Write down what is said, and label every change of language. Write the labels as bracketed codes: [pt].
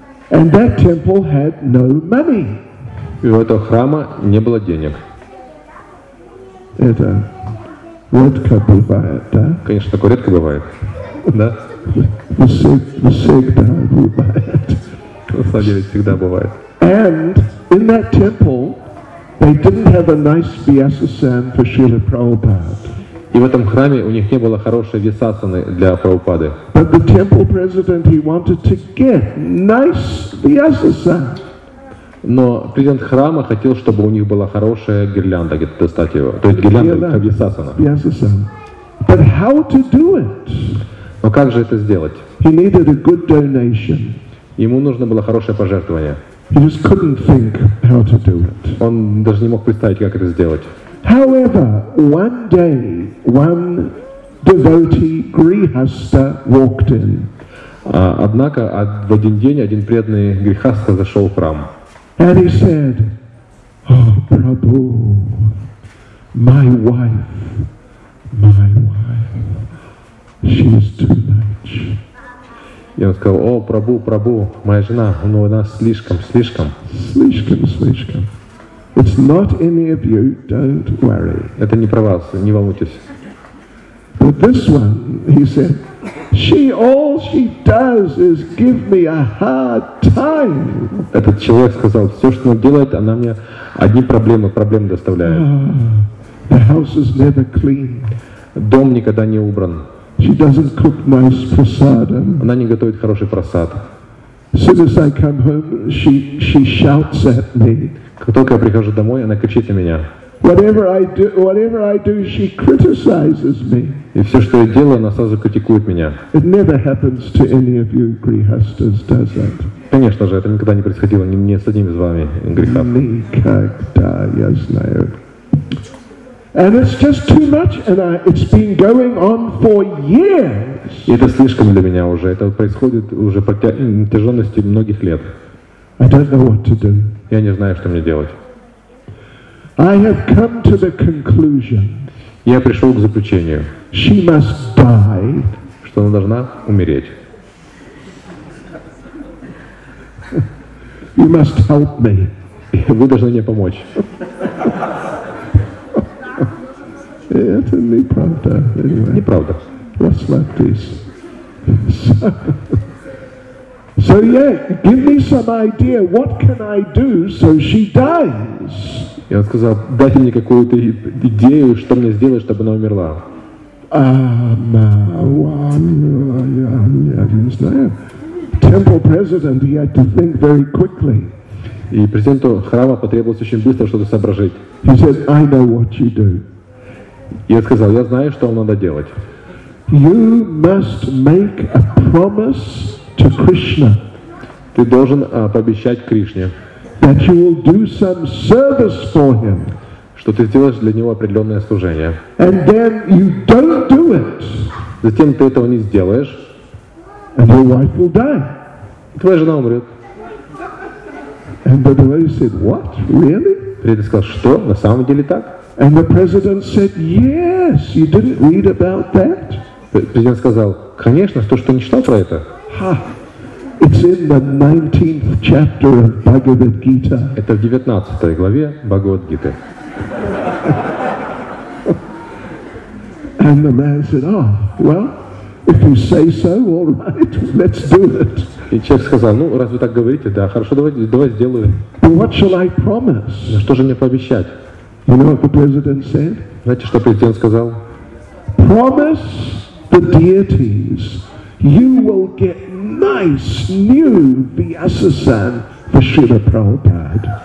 [en] And that temple had no money. [ru] И у этого храма не было денег. Это редко бывает, да? Конечно, такое редко бывает, да? Всегда бывает. На самом деле всегда бывает. [en] And in that temple they didn't have a nice Vyasasana for Srila Prabhupada. [ru] И в этом храме у них не было хорошей висасаны для Прабхупады. [en] But the temple president, he wanted to get nice Vyasasana. [ru] Но президент храма хотел, чтобы у них была хорошая гирлянда, где-то достать его. То есть гирлянда как висасана. [en] But how to do it? [ru] Но как же это сделать? [en] He needed a good donation. [ru] Ему нужно было хорошее пожертвование. [en] He just couldn't think how to do it. [ru] Он даже не мог представить, как это сделать. [en] However, one day, one devotee, Grihastha, walked in. [ru] Однако, в один день один преданный Грихастха зашел в храм. [en] And he said, "Oh, Prabhu, my wife, she is too much." [ru] И он сказал, "О, Прабу, Прабу, моя жена, ну она слишком, слишком." Слишком, слишком. [en] It's not any of you, don't worry. [ru] Это не про вас, не волнуйтесь. [en] But this one, he said, she all she does is give me a hard time. [ru] Этот человек сказал, все, что она делает, она мне одни проблемы, проблемы доставляет. [en] The house is never clean. [ru] Дом никогда не убран. [en] She doesn't cook nice prasada. [ru] Она не готовит хороший прасад. [en] As soon as I come home, she shouts at me. [ru] Как только я прихожу домой, она кричит на меня. [en] Whatever I do, she criticizes me. [ru] И все, что я делаю, она сразу критикует меня. [en] It never happens to any of you grihasthas, does it? [ru] Конечно же, это никогда не происходило ни с одним из вами грихастхами. Никогда, я знаю. [en] And it's just too much, and it's been going on for years. [ru] Это слишком для меня уже. Это происходит уже по протяженности многих лет. [en] I don't know what to do. [ru] Я не знаю, что мне делать. [en] I have come to the conclusion. [ru] Я пришел к заключению. [en] She must die. [ru] Что она должна умереть. [en] You must help me. [ru] Вы должны мне помочь. Это неправда. [en] Anyway. [ru] Неправда. [en] Let's let this. So yeah, give me some idea. What can I do so she dies? [ru] Я сказал, дайте мне какую-то идею, что мне сделать, чтобы она умерла. [en] Temple president, he had to think very quickly. [ru] И президенту храма потребовалось очень быстро что-то соображить. [en] He said, I know what you do. [ru] Я сказал, я знаю, что вам надо делать. [en] You must make a promise to Krishna. [ru] Ты должен пообещать Кришне. [en] That you will do some service for him. [ru] Что ты сделаешь для него определенное служение. [en] And then you don't do it. [ru] Затем ты этого не сделаешь. [en] And your wife will die. [ru] Твоя жена умрет. [en] And the devotee said, what? Really? [ru] Преданный сказал, что? На самом деле так? [en] And the president said, "Yes, you didn't read about that." [ru] Президент сказал, конечно, то, что не читал про это. Ha! [en] It's in the 19th chapter of Bhagavad Gita. [ru] Это в 19 главе Бхагавад Гиты. [en] And the man said, "Oh, well, if you say so, all right, let's do it." [ru] И человек сказал, ну раз вы так говорите, да, хорошо, давай сделаем. [en] But what shall I promise? [ru] Но что же мне пообещать? [en] You know what the president said? [ru] Знаете, что президент сказал? [en] Promise the deities you will get nice new Vyasasan for Srila Prabhupada.